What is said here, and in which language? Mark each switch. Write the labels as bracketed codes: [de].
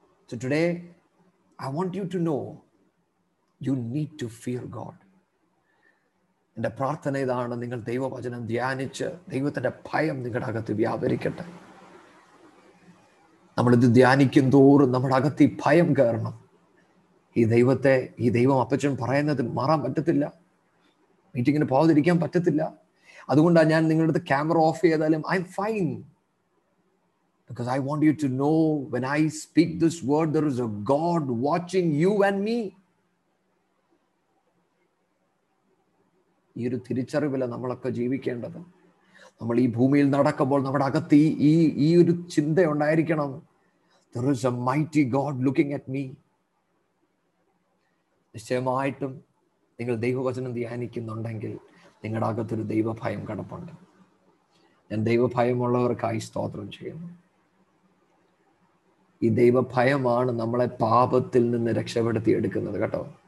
[en] So today, I want you to know, you need to fear God. [ml] എന്റെ പ്രാർത്ഥന ഇതാണ്, നിങ്ങൾ ദൈവവചനം ധ്യാനിച്ച് ദൈവത്തിന്റെ ഭയം നിങ്ങളുടെ അകത്ത് വ്യാപരിക്കട്ടെ. നമ്മളിത് ധ്യാനിക്കും തോറും നമ്മുടെ അകത്ത് ഈ ഭയം കയറണം. ഈ ദൈവത്തെ, ഈ ദൈവം അപ്പച്ചൻ പറയുന്നത് മാറാൻ പറ്റത്തില്ല. മീറ്റിങ്ങിന് പോകാതിരിക്കാൻ പറ്റത്തില്ല. അതുകൊണ്ടാണ് ഞാൻ നിങ്ങളുടെ അടുത്ത് ക്യാമറ ഓഫ് ചെയ്താലും [en] I'm fine. Because I want you to know, when I speak this word, there is a God watching you and me. [ml] ഈയൊരു തിരിച്ചറിവില നമ്മളൊക്കെ ജീവിക്കേണ്ടത്. നമ്മൾ ഈ ഭൂമിയിൽ നടക്കുമ്പോൾ നമ്മുടെ അകത്ത് ഈ ഒരു ചിന്ത ഉണ്ടായിരിക്കണം. [en] There is a mighty God looking at me. [ml] നിശ്ചയമായിട്ടും നിങ്ങൾ ദൈവവചനം ധ്യാനിക്കുന്നുണ്ടെങ്കിൽ നിങ്ങളുടെ അകത്തൊരു ദൈവഭയം കടപ്പുണ്ട്. ഞാൻ ദൈവഭയമുള്ളവർക്കായി സ്തോത്രം ചെയ്യുന്നു. ഈ ദൈവഭയമാണ് നമ്മളെ പാപത്തിൽ നിന്ന് രക്ഷപ്പെടുത്തി എടുക്കുന്നത് കേട്ടോ.